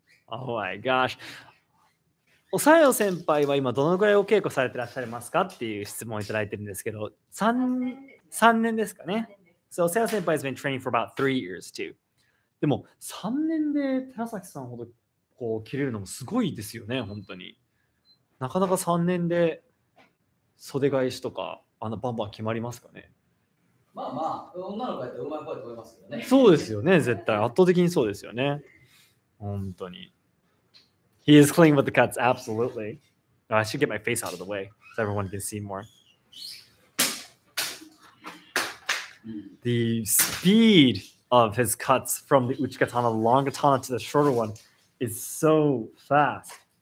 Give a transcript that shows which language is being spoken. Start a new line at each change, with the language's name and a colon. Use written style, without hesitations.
English: Oh my gosh.
Japanese: Osayo senpai wa ima dono gurai o keiko sarete rashare masu ka っていう質問をいただいてるんですけど、3年ですかね。
English: So Osayo senpai has been training for about 3 years too.
Japanese: でも3年で寺崎さんほどこう切れるのもすごいですよね、本当に。なかなか3年で袖返しとかあのバンバン決まりますかね。まあまあ女の子やってうまい子やと思いますよね。そうですよね、絶対圧倒的にそうですよね。本当に。
English: He is clean with the cuts, absolutely. No, I should get my face out of the way so everyone can see more. The speed of his cuts from the Uchikatana, the long katana to the shorter one is so fast.